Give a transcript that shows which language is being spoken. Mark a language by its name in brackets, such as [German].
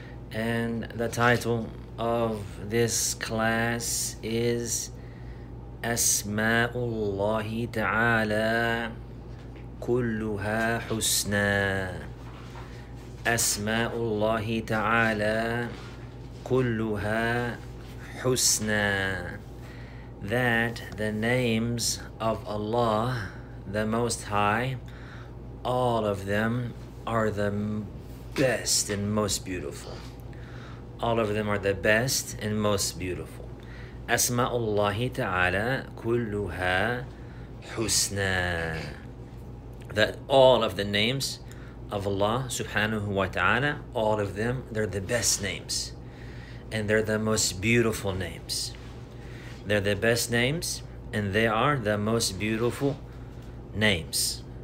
[English] And the title of this class is [Arabic] أسماء الله تعالى كلها حسنى. أسماء الله تعالى كلها حسنى. [English] That the names of Allah, the Most High, all of them are the best and most beautiful. All of them are the best and most beautiful. [Arabic] أسماء الله تعالى كلها حسنى. [English] That all of the names of Allah subhanahu wa ta'ala, all of them, they're the best names. And they're the most beautiful names. They're the best names and they are the most beautiful names.